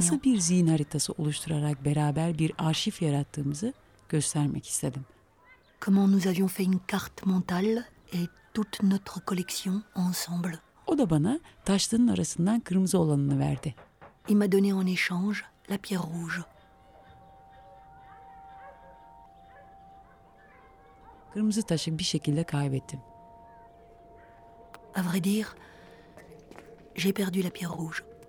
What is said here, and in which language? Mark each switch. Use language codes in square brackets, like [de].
[tr] Nasıl bir zihin haritası oluşturarak beraber bir arşiv yarattığımızı göstermek istedim. [fr] Comment nous avions fait une carte mentale et toute notre collection ensemble. [tr] O da bana taşların arasından kırmızı olanını verdi. [fr] Il m'a donné en échange la pierre rouge. [tr] Kırmızı taşı bir şekilde kaybettim. [fr] À vrai dire, j'ai perdu la pierre rouge.